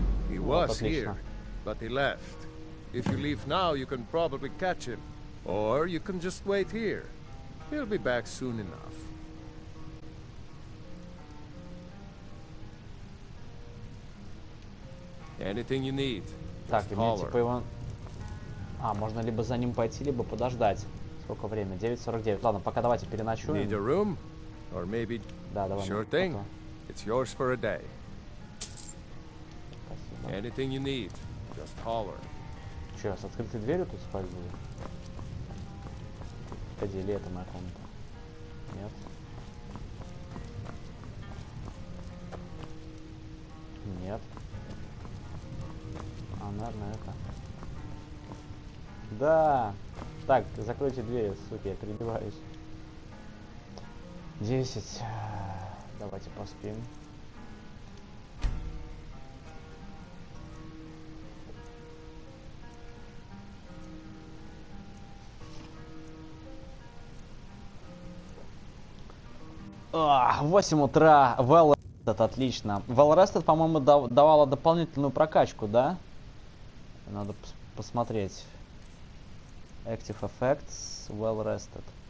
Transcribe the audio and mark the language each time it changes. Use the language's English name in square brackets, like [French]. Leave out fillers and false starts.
[English] He was here, but he left. If you leave now, you can probably catch him. Or you can just wait here. He'll be back soon enough. Anything you need, just holler. [Russian] А, можно либо за ним пойти, либо подождать. Сколько время? 9:49. Ладно, пока давайте переночуем. [English] Need a room? Or maybe... [Russian] Да, давай. [English] Sure thing. It's yours for a day. [Russian] Спасибо. [English] Anything you need, just holler. [Russian] Че, с открытой дверью тут спать будет? Погоди, или это моя комната? Нет. Нет. А, наверное, это. Да! Так, закройте двери, суки, я перебиваюсь. 10. Давайте поспим. Ах, 8 утра. Well Rested, отлично. Well Rested, по-моему, давала дополнительную прокачку, да? Надо посмотреть. [English] Active Effects, Well Rested.